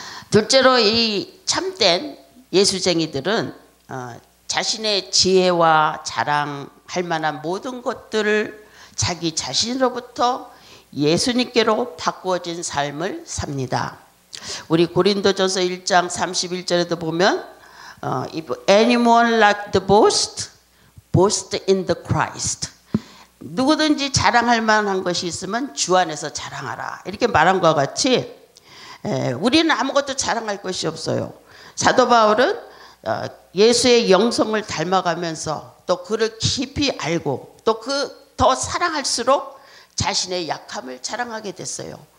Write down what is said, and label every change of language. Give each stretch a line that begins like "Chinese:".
Korean: 둘째로 이 참된 예수쟁이들은 자신의 지혜와 자랑할 만한 모든 것들을 자기 자신으로부터 예수님께로 바꾸어진 삶을 삽니다. 우리 고린도전서 1장 31절에도 보면
English: If anyone like the boast, boast in the Christ.
Korean: 누구든지 자랑할 만한 것이 있으면 주 안에서 자랑하라. 이렇게 말한 것과 같이 우리는 아무것도 자랑할 것이 없어요. 사도 바울은 예수의 영성을 닮아가면서 또 그를 깊이 알고 또 그 더 사랑할수록 자신의 약함을 자랑하게 됐어요.